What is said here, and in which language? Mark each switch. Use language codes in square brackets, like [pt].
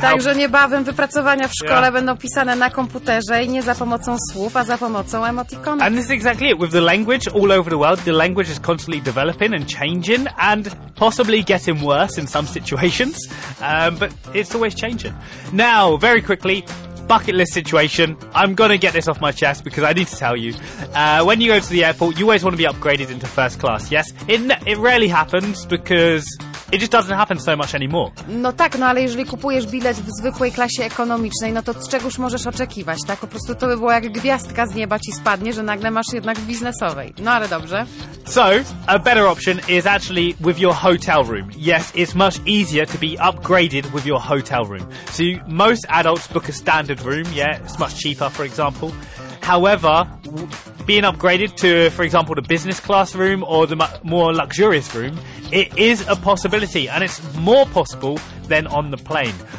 [pl] Także niebawem wypracowania w szkole będą pisane na komputerze i nie za pomocą słów, a za pomocą emotikonów. [en] And this is exactly it. With the language all over the world, the language is constantly developing and changing and possibly getting worse in some situations, but it's always changing. Now, very quickly, bucket list situation. I'm going to get this off my chest because I need to tell you. When you go to the airport, you always want to be upgraded into first class, yes? It rarely happens because... It just doesn't happen so much anymore. [pl] No tak, no ale jeżeli kupujesz bilet w zwykłej klasie ekonomicznej, no to z czegoż możesz oczekiwać, tak? Po prostu to by było jak gwiazdka z nieba ci spadnie, że nagle masz jednak w biznesowej. No ale dobrze. [en] So, a better option is actually with your hotel room. Yes, it's much easier to be upgraded with your hotel room. So most adults book a standard room, yeah, it's much cheaper, for example. However, being upgraded to, for example, the business class room or the more luxurious room, it is a possibility, and it's more possible than on the plane.